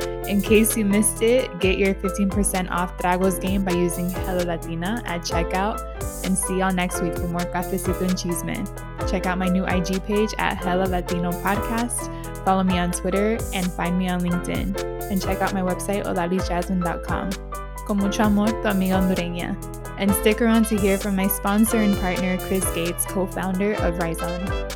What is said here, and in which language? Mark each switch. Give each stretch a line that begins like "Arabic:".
English: In case you missed it, get your 15% off Tragos game by using Hello Latina at checkout, and see y'all next week for more Cafecito and Chisme. Check out my new IG page at Hello Latino Podcast. Follow me on Twitter and find me on LinkedIn. And check out my website, odalisjasmine.com.
Spanish: Con mucho amor, tu amiga hondureña.
English: And stick around to hear from my sponsor and partner, Chris Gates, co-founder of Rizon.